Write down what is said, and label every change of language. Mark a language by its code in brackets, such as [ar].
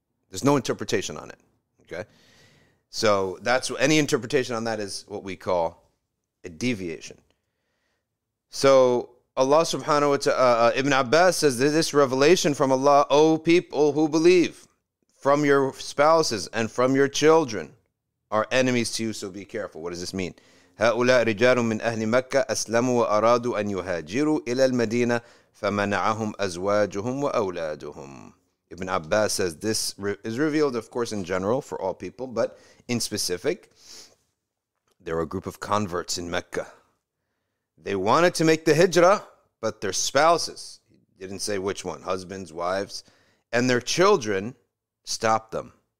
[en] There's no interpretation on it, okay? So that's any interpretation on that is what we call a deviation. So Allah subhanahu wa ta'ala, Ibn Abbas says, this revelation from Allah, O people who believe, from your spouses and from your children are enemies to you, so be careful. What does this mean? [ar] هؤلاء رجال من أهل مكة أسلموا وأرادوا أن يهاجروا إلى المدينة فمنعهم أزواجهم وأولادهم. [en] Ibn Abbas says this is revealed, of course, in general for all people, but in specific, They were a group of converts in Mecca. They wanted to make the hijrah, but their spouses, didn't say which one, husbands, wives, and their children stopped them.